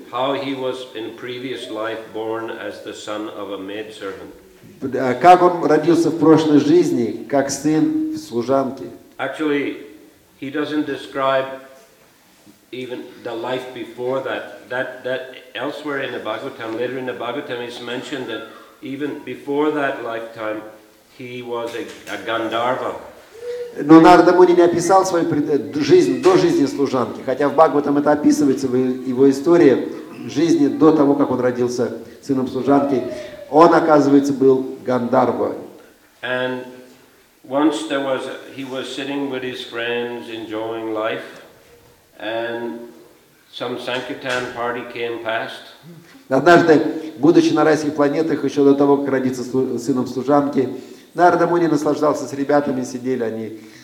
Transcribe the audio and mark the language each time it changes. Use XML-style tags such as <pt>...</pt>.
<en>How he was in previous life born as the son of a maidservant.</en> <ru>Как он родился в прошлой жизни как сын служанки.</ru> <en>Actually, he doesn't describe even the life before that. That elsewhere in the Bhagavatam, later in the Bhagavatam, it's mentioned that even before that lifetime, He was a Gandharva.</en> <ru>Но Нарада Муни не описал свою жизнь до жизни служанки, хотя в Бхагаватам это описывается, его история жизни до того, как он родился сыном служанки. Он, оказывается, был Гандарва.</ru> <en>And once there was he was sitting with his friends enjoying life, and some Sankirtan party came past.</en> <ru>Однажды, будучи на райских планетах, еще до того, как родиться сыном служанки, Нарада Муни наслаждался с ребятами, сидели они.</ru>